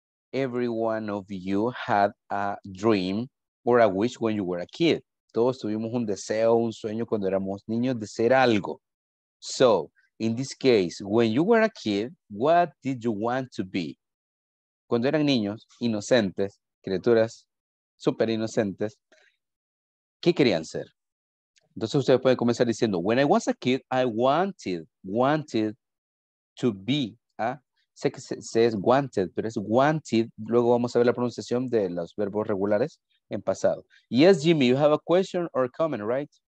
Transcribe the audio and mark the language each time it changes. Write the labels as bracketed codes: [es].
[en] Every one of you had a dream or a wish when you were a kid. [es] Todos tuvimos un deseo, un sueño cuando éramos niños de ser algo. [en] So, in this case, when you were a kid, what did you want to be? [es] Cuando eran niños, inocentes, criaturas súper inocentes, ¿qué querían ser? Entonces ustedes pueden comenzar diciendo, [en] when I was a kid, I wanted to be. [es] ¿Ah? Sé que se es wanted, pero es wanted. Luego vamos a ver la pronunciación de los verbos regulares en pasado. [en] Yes, Jimmy, you have a question or a comment, right?